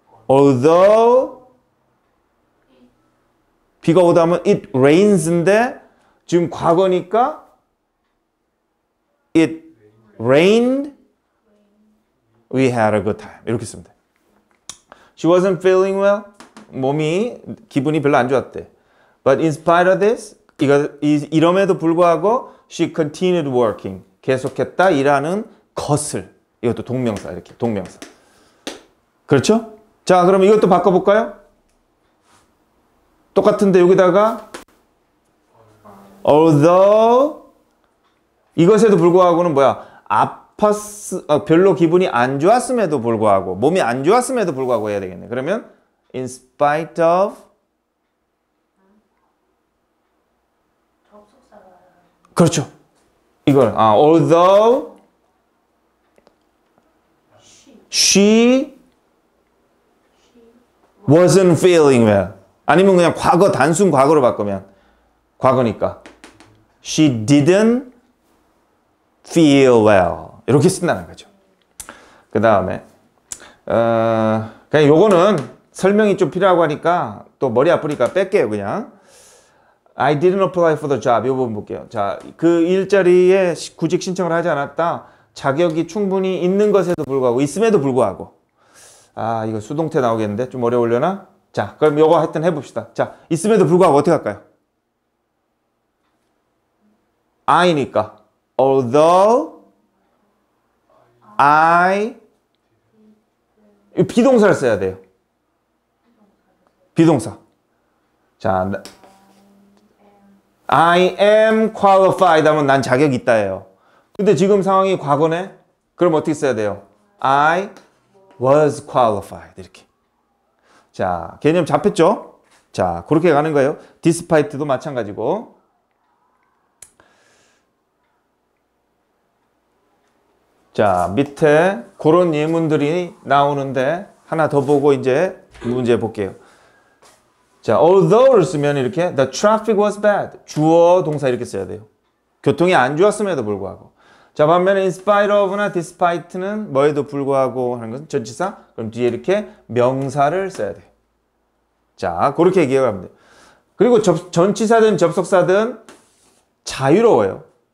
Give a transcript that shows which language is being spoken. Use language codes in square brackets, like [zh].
[ko] Although 비가 오다 하면 it rains인데 지금 과거니까 [en] it rained We had a good time. [ko] 이렇게 쓰면 돼. [en] She wasn't feeling well. [ko] 몸이 기분이 별로 안 좋았대. [en] But in spite of this, [ko] 이럼에도 불구하고 [en] she continued working. [ko] 계속했다 일하는 것을. 이것도 동명사 이렇게 동명사. 그렇죠? 자, 그럼 이것도 바꿔 볼까요? 똑같은데 여기다가 although 이것에도 불구하고는 뭐야? 별로 기분이 안 좋았음에도 불구하고 몸이 안 좋았음에도 불구하고 해야 되겠네. 그러면 in spite of 그렇죠. [en] 이걸 although she wasn't feeling well. [ko] 아니면 그냥 과거 단순 과거로 바꾸면 과거니까 [en] she didn't feel well. [ko] 이렇게 쓴다는 거죠. 그 다음에 그냥 요거는 설명이 좀 필요하고 하니까 또 머리 아프니까 뺄게요 그냥. [en] I didn't apply for the job. [ko] 이 부분 볼게요. 자, 그 일자리에 구직 신청을 하지 않았다. 자격이 충분히 있는 것에도 불구하고, 있음에도 불구하고. 아, 이거 수동태 나오겠는데? 좀 어려우려나? 자, 그럼 이거 하여튼 해봅시다. 자, 있음에도 불구하고 어떻게 할까요? I니까. Although I. 비동사를 써야 돼요. 비동사. 자, [en] I am qualified [ko] 하면 난 자격이 있다예요. 근데 지금 상황이 과거네? 그럼 어떻게 써야 돼요? [en] I was qualified 이렇게. [ko] 자, 개념 잡혔죠? 자, 그렇게 가는 거예요. Despite도 마찬가지고. 자, 밑에 그런 예문들이 나오는데 하나 더 보고 이제 문제 볼게요. 자, although를 쓰면 이렇게 [en] the traffic was bad. [ko] 주어 동사 이렇게 써야 돼요. 교통이 안 좋았음에도 불구하고. 자, 반면에 in spite of나 despite는 뭐에도 불구하고 하는 것은 전치사. 그럼 뒤에 이렇게 명사를 써야 돼요. 자, 그렇게 기억하면 돼요. 그리고 전치사든 접속사든 자유로워요.